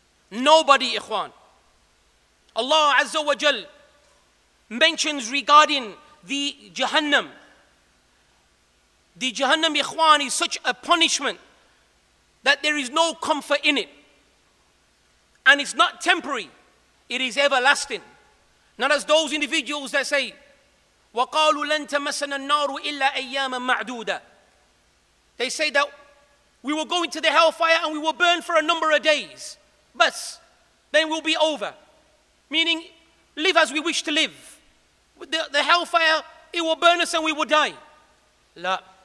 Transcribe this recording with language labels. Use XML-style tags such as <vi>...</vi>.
<en>Nobody, ikhwan. Allah Azza wa Jal mentions regarding the Jahannam. The Jahannam, ikhwan, is such a punishment that there is no comfort in it. And it's not temporary, it is everlasting. Not as those individuals that say,</en> <ar>وَقَالُوا لَن تَمَسَّنَ النَّارُ إِلَّا أَيَّامًا مَعْدُودًا.</ar> <en>They say that we will go into the hellfire and we will burn for a number of days. But then we'll be over. Meaning, live as we wish to live. The hellfire, it will burn us and we will die. La.</en>